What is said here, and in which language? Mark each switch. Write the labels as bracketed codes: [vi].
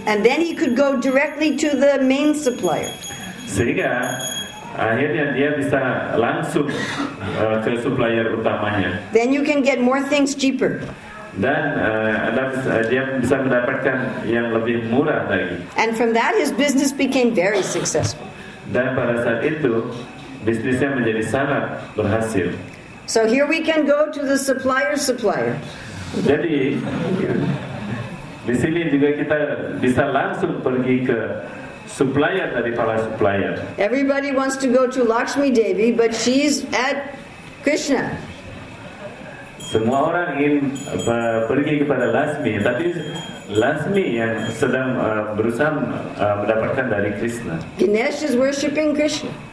[en] And then he could go directly to the main supplier. [id] Sehingga akhirnya dia bisa langsung ke supplier utamanya. [en] Then you can get more things cheaper. [id] Dan dia bisa mendapatkan yang lebih murah lagi. [en] And from that his business became very successful. [id] Dan pada saat itu bisnisnya menjadi sangat berhasil. [en] So here we can go to the supplier's supplier. [id] Jadi di sini juga kita bisa langsung pergi ke supplier dari para supplier. [en] Everybody wants to go to Lakshmi Devi, but she's at Krishna. [id] Semua orang ingin pergi kepada Lakshmi, tapi Lakshmi yang sedang berusaha mendapatkan dari Krishna. [en] Ganesh is worshiping Krishna.